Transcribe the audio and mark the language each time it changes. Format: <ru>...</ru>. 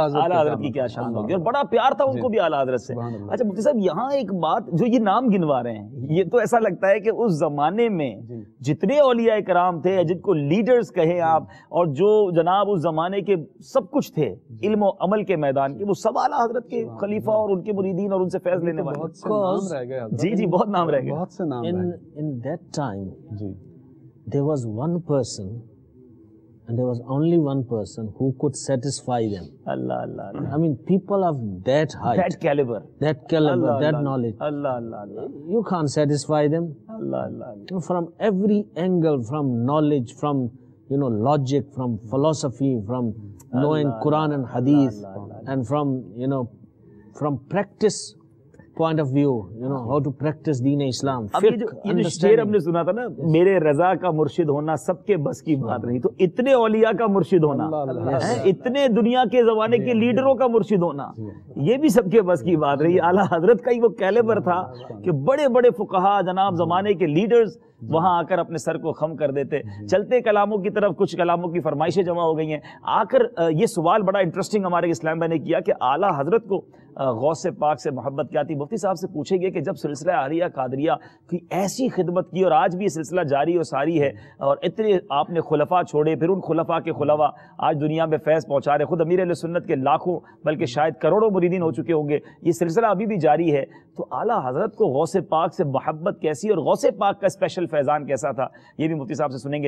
<ur>حضرت کی کیا شان ہوگی, اور بڑا پیار تھا ان کو بھی اعلی حضرت سے. اچھا مفتی صاحب, یہاں ایک بات جو یہ نام گنوا رہے ہیں, یہ تو ایسا لگتا ہے کہ اس زمانے میں جتنے اولیاء کرام تھے, جن کو لیڈرز کہیں آپ, اور جو جناب اس زمانے کے سب کچھ تھے علم و عمل کے میدان کے, وہ سب اعلی حضرت کے خلیفہ اور ان کے مریدین اور ان سے فیض لینے والے. جی جی, بہت نام رہ گئے, بہت سے نام.</ur> <en>In that time there was one person, and there was only one person who could satisfy them. Allah, Allah, Allah. I mean, people of that height, that caliber, knowledge, Allah, Allah, Allah, you can't satisfy them. Allah, Allah, Allah. From every angle, from knowledge, from, you know, logic, from philosophy, from knowing Allah, Quran and Hadith, Allah, Allah, Allah. And from, you know, from practice point of view, you know, how to practice deen Islam.</en> <ur>Fiqh, ye jo sher humne suna tha na, mere raza ka murshid hona sabke bas ki baat nahi, to itne auliya ka murshid hona, itne duniya ke zamane ke leaderon ka murshid hona, ye bhi sabke bas ki baat nahi. Aala Hazrat ka hi wo caliber tha ke bade bade fuqaha janab zamane ke leaders وہاں آ کر اپنے سر کو خم کر دیتے. چلتے کلاموں کی طرف, کچھ کلاموں کی فرمائشیں جمع ہو گئی ہیں. آ کر یہ سوال بڑا انٹرسٹنگ ہمارے اسلام بھائی نے کیا کہ اعلیٰ حضرت کو غوث پاک سے محبت کیا تھی. مفتی صاحب سے پوچھے گئے کہ جب سلسلہ عالیہ قادریہ کی ایسی خدمت کی, اور آج بھی یہ سلسلہ جاری اور ساری ہے, اور اتنے آپ نے خلفاء چھوڑے, پھر ان خلفاء کے خلفاء آج دنیا میں فیض پہنچا رہے, خود امیر علیہ سنت کے لاکھوں بلکہ شاید کروڑوں مریدین ہو چکے ہوں گے, یہ سلسلہ ابھی بھی جاری ہے, تو اعلیٰ حضرت کو غوث پاک سے محبت کیسی, اور غوث پاک کا اسپیشل فیضان کیسا تھا, یہ بھی مفتی صاحب سے سنیں گے.</ur>